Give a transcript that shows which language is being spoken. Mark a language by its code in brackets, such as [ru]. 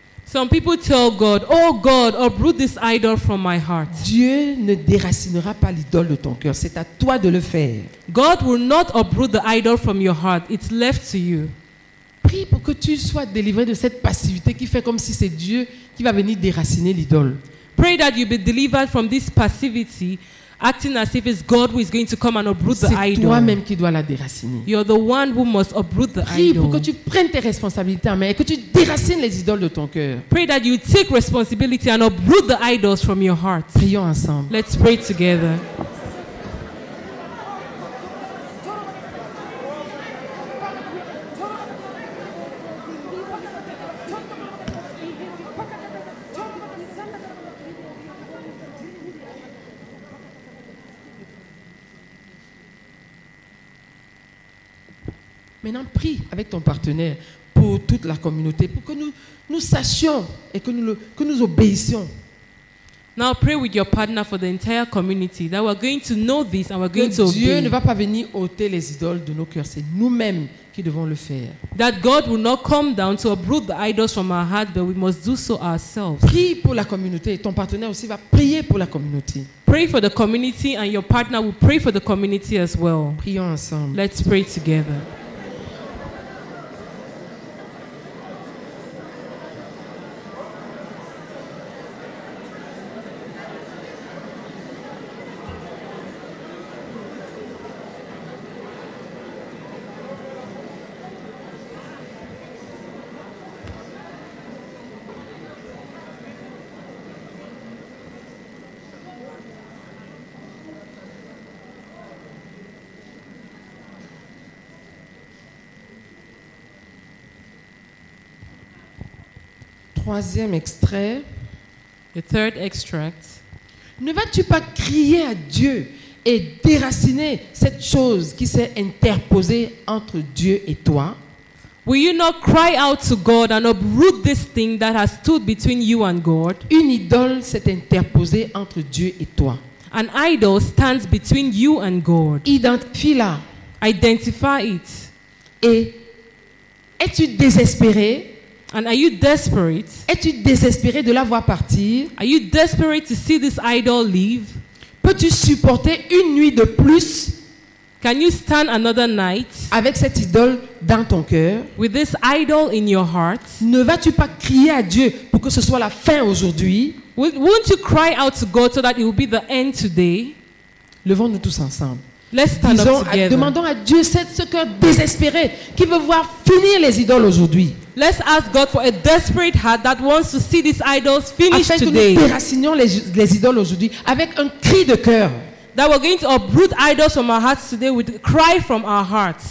[en] Some people tell God, « Oh God, uproot this idol from my heart. » [fr] Dieu ne déracinera pas l'idole de ton cœur. C'est à toi de le faire. [en] God will not uproot the idol from your heart. It's left to you. [fr] Prie pour que tu sois délivré de cette passivité qui fait comme si c'est Dieu qui va venir déraciner l'idole. [en] Pray that you be delivered from this passivity, acting as if it's God who is going to come and uproot the idol. [fr] C'est toi-même qui dois la déraciner. [en] You're the one who must uproot the [fr] Prie pour que tu prennes tes responsabilités en main et que tu déracines les idoles de ton cœur. [en] Pray that you take responsibility and uproot the idols from your heart. [fr] Prions ensemble. [en] Let's pray together. [fr] Maintenant, prie avec ton partenaire pour toute la communauté, pour que nous sachions et que nous obéissions. [en] Now pray with your partner for the entire community that we're going to know this and we're going [fr] que [en] to obey. [fr] Dieu ne va pas venir ôter les idoles de nos cœurs, c'est nous-mêmes qui devons le faire. [en] That God will not come down to uproot the idols from our heart, but we must do so ourselves. [fr] Prie pour la communauté. Ton partenaire aussi va prier pour la communauté. [en] Pray for the community and your partner will pray for the community as well. [fr] Prions ensemble. [en] Let's pray together. [fr] Troisième extrait. [en] The third extract. [fr] Ne vas-tu pas crier à Dieu et déraciner cette chose qui s'est interposée entre Dieu et toi? [en] Will you not cry out to God and uproot this thing that has stood between you and God? [fr] Une idole s'est interposée entre Dieu et toi. [en] An idol stands between you and God. [fr] Identifie-la. [en] Identify it. [fr] Et es-tu désespéré? [en] And are you desperate? [fr] Es-tu désespéré de la voir partir? [en] Are you desperate to see this idol leave? [fr] Peux-tu supporter une nuit de plus? [en] Can you stand another night? [fr] Avec cette idole dans ton cœur? [en] With this idol in your heart? [fr] Ne vas-tu pas crier à Dieu pour que ce soit la fin aujourd'hui? [en] Won't you cry out to God so that it will be the end today? [fr] Levons-nous tous ensemble. [en] Let's stand [fr] Disons, [en] up together. [fr] Demandons à Dieu ce cœur désespéré qui veut voir finir les idoles aujourd'hui. [en] Let's ask God for a desperate heart that wants to see these idols finished today. [fr] Afin que nous déracinions les idoles aujourd'hui avec un cri de cœur. [en] That we're going to uproot idols from our hearts today with a cry from our hearts.